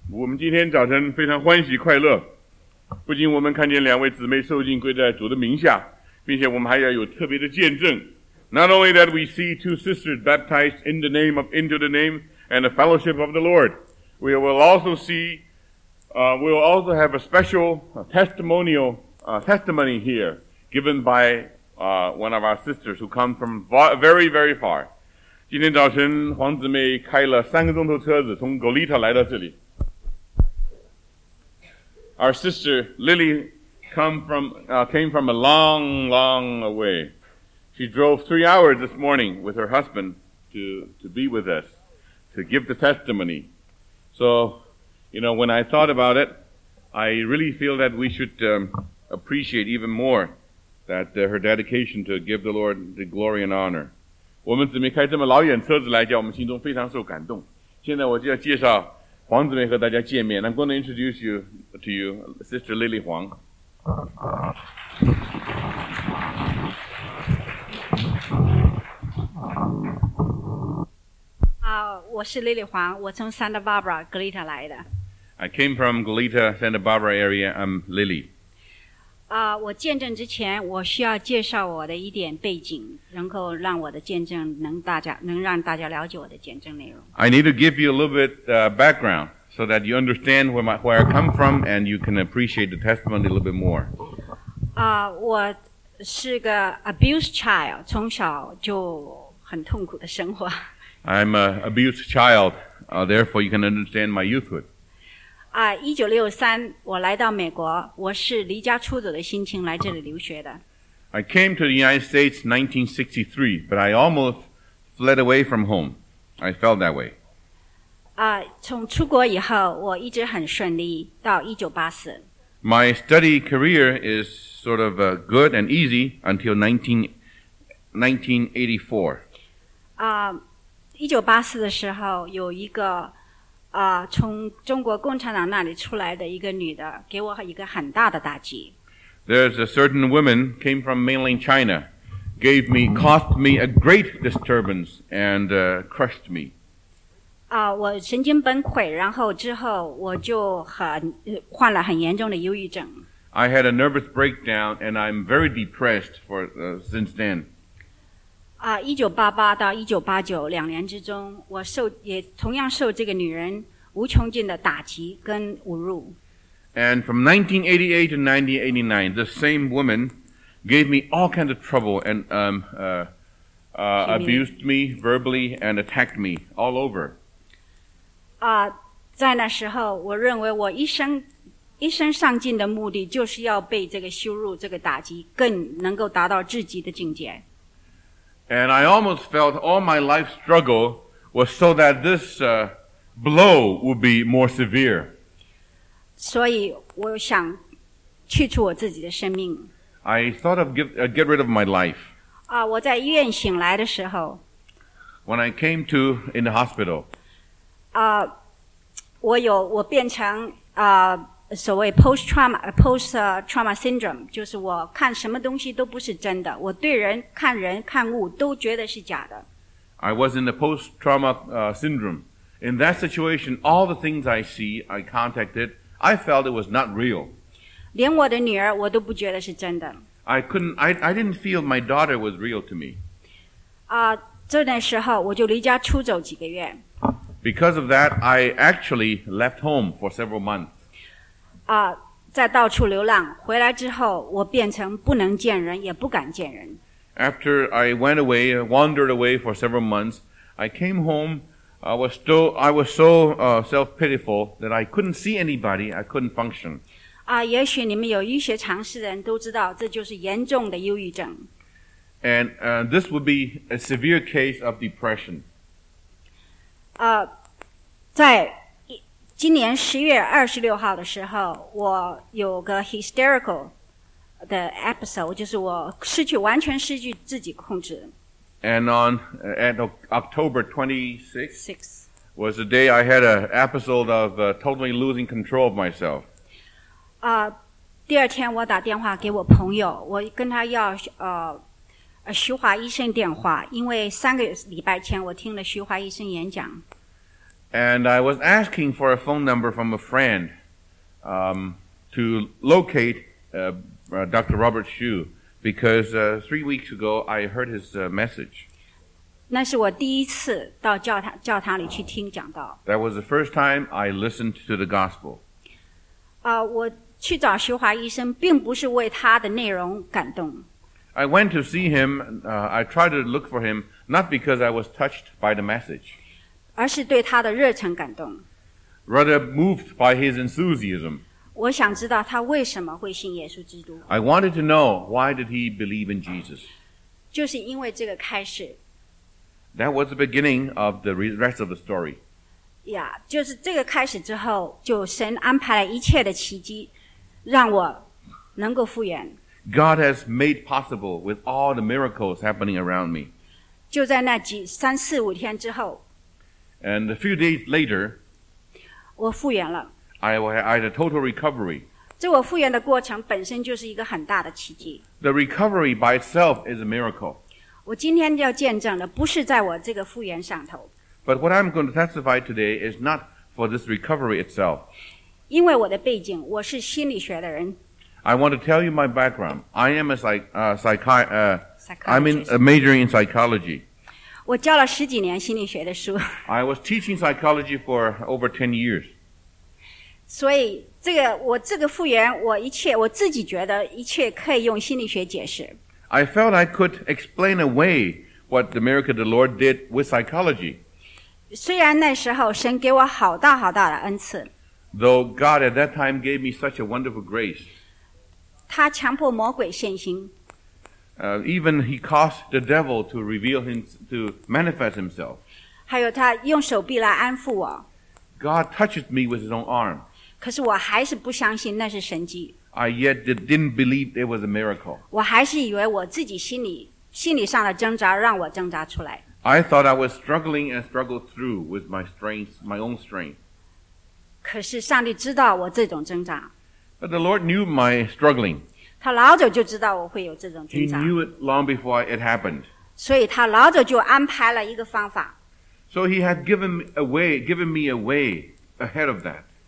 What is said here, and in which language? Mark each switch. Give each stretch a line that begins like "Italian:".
Chinese: 我们今天早晨非常欢喜快乐，不仅我们看见两位姊妹受浸归在主的名下，并且我们还要有特别的见证。
English: Not only that we see two sisters baptized in the name of, into the name and the fellowship of the Lord, we will also see, we will also have a special testimonial, testimony here given by, one of our sisters who come from very, very far.
Chinese: 今天早晨黄姊妹开了三个钟头车子从 Goleta 来到这里。
English: Our sister Lily came from a long, long way. She drove 3 hours this morning with her husband to be with us, to give the testimony. So, you know, when I thought about it, I really feel that we should appreciate even more that her dedication to give the Lord the glory and honor.
Chinese: 我们姊妹开这么老远车子来讲，我们心中非常受感动。现在我就要介绍黄姊妹和大家见面。
English: I'm going to introduce you to you, Sister Lily Huang.
Chinese: Santa Barbara, Goleta 来的。
English: I came from Goleta, Santa Barbara area. I'm Lily.
Chinese: 我见证之前，我需要介绍我的一点背景，然后让我的见证能让大家了解我的见证内容。
English: I need to give you a little bit background. So that you understand where I come from and you can appreciate the testimony a little bit more.
Chinese: 我是个
English: abused child,
Chinese: 从小就很痛苦的生活。
English: I'm an abused child, therefore you can understand my youthhood.
Chinese: 1963, 我来到美国，我是离家出走的心情来这里留学的。
English: I came to the United States in 1963, but I almost fled away from home. I felt that way.
Chinese: 从出国以后我一直很顺利到1984。
English: My study career is sort of good and easy until 1984.
Chinese: 1984的时候有一个从中国共产党那里出来的一个女的给我一个很大的打击。
English: There's a certain woman came from mainland China, cost me a great disturbance and crushed me.
Chinese: 我神经崩溃，然后之后我就患了很严重的忧郁症。
English: I had a nervous breakdown and I'm very depressed for since then.
Chinese: 1988到1989两年之中，我也同样受这个女人无穷尽的打击跟侮辱。
English: And from 1988 to 1989, the same woman gave me all kinds of trouble and abused me verbally and attacked me all over.
Chinese: 在那时候我认为我一生上进的目的就是要被这个羞辱这个打击更能够达到至极的境界。
English: And I almost felt all my life struggle was so that this blow would be more severe.
Chinese: 所以我想去除我自己的生命。
English: I thought of get rid of my life.
Chinese: 我在医院醒来的时候。
English: When I came to in the hospital.
Chinese: 我变成所谓
English: post-trauma syndrome,
Chinese: 就是我看什么东西都不是真的，我对人看人看物都觉得是假的。
English: I was in the post-trauma syndrome. In that situation, all the things I see, I contacted, I felt it was not real.
Chinese: 连我的女儿我都不觉得是真的。
English: I didn't feel my daughter was real to me.
Chinese: 这段时候我就离家出走几个月。
English: Because of that, I actually left home for several months.
Chinese: 在到处流浪，回来之后，我变成不能见人，也不敢见人。
English: After I went away, wandered away for several months, I came home. I was so self-pitiful that I couldn't see anybody. I couldn't function.
Chinese: 也许你们有医学常识的人都知道，这就是严重的忧郁症。
English: And this would be a severe case of depression.
Chinese: 在今年10月26号的时候，我有个 hysterical 的 episode， 就是我完全失去自己控制。
English: And on at October 26th was the day I had an episode of totally losing control of myself.
Chinese: 第二天我打电话给我朋友，我跟他要徐华医生电话，因为三个礼拜前我听了徐华医生演讲。
English: And I was asking for a phone number from a friend to locate Dr. Robert Hsu, because 3 weeks ago I heard his message.
Chinese: 那是我第一次到教堂里去听讲道。
English: That was the first time I listened to the gospel.
Chinese: 我去找徐华医生并不是为他的内容感动。
English: I went to see him, I tried to look for him, not because I was touched by the message.
Chinese: 而是对他的热忱感动。
English: Rather moved by his enthusiasm.
Chinese: 我想知道他为什么会信耶稣基督。
English: I wanted to know why did he believe in Jesus.
Chinese: 就是因为这个开始。
English: That was the beginning of the rest of the story.
Chinese: Yeah, 就是这个开始之后，就神安排了一切的奇迹，让我能够复原。
English: God has made possible with all the miracles happening around me.
Chinese: 就在那几三四五天之后。
English: And a few days later,
Chinese: 我复原了。
English: I had a total recovery.
Chinese: 这我复原的过程本身就是一个很大的奇迹。
English: The recovery by itself is a miracle.
Chinese: 我今天要见证的不是在我这个复原上头。
English: But what I'm going to testify today is not for this recovery itself.
Chinese: 因为我的背景，我是心理学的人。
English: I want to tell you my background. I am a psychiatrist. I'm majoring in psychology.
Chinese: 我教了十几年心理学的书。
English: I was teaching psychology for over 10 years.
Chinese: 所以这个我这个复原，我一切我自己觉得一切可以用心理学解释。
English: I felt I could explain away what the miracle the Lord did with psychology.
Chinese: 虽然那时候神给我好大好大的恩赐。
English: Though God at that time gave me such a wonderful grace.
Chinese: 他强迫魔鬼现形。
English: Even he caused the devil to reveal him, to manifest himself.
Chinese: 还有他用手臂来安抚我。
English: God touched me with his own arm.
Chinese: 可是我还是不相信那是神迹。
English: I yet didn't believe it was a miracle.
Chinese: 我还是以为我自己心理上的挣扎让我挣扎出来。
English: I thought I was struggling and struggled through with my strength, my own strength.
Chinese: 可是上帝知道我这种挣扎。
English: But the Lord knew my struggling.
Chinese: 他老早就知道我会有这种挣扎。
English: He knew it long before it happened.
Chinese: 所以他老早就安排了一个方法。
English: So he had given me a way ahead of that.